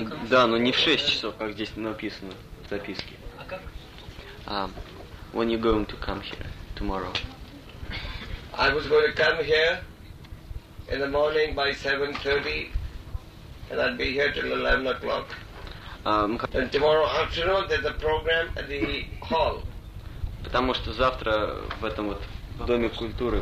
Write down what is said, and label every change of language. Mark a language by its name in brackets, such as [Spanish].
[Russian] Да, но не в 6 часов, как здесь написано в записке. А как? [English] When you going to come here tomorrow? I was going to come here in the morning by 7:30, and I'd be here till 11 o'clock. And tomorrow afternoon there's a program at the hall. [Russian] Потому что завтра в этом вот доме культуры.